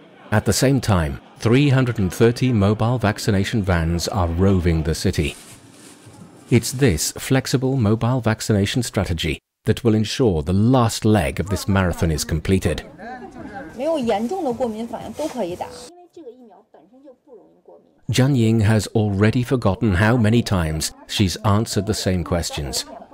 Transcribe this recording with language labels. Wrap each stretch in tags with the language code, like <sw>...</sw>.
<en>At the same time, 330 mobile vaccination vans are roving the city. It's this flexible mobile vaccination strategy that will ensure the last leg of this marathon is completed.</en> <zh>没有严重的过敏反应都可以打。</zh> <en>Zhang Ying has already forgotten how many times she's answered the same questions.</en>